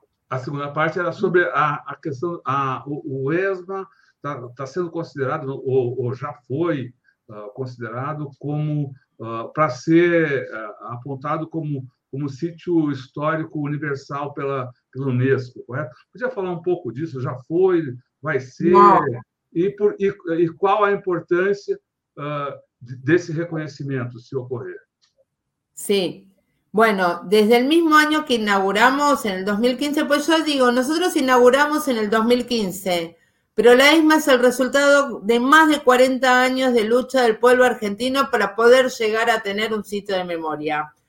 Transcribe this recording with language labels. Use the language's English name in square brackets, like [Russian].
[Spanish] La segunda parte era sobre la cuestión, o ESMA está siendo considerado o ya fue considerado como para ser apuntado como sitio histórico universal [Portuguese] pela UNESCO, correto? Podia falar um pouco disso? Já foi? Vai ser? E qual a importância desse reconhecimento, se ocorrer? Sim. [Spanish] Bueno, desde el mismo año que inauguramos, en el 2015, pues yo digo, nosotros inauguramos en el 2015, pero la ESMA es el resultado de más de 40 años de lucha del pueblo argentino para poder llegar a tener un sitio de memoria.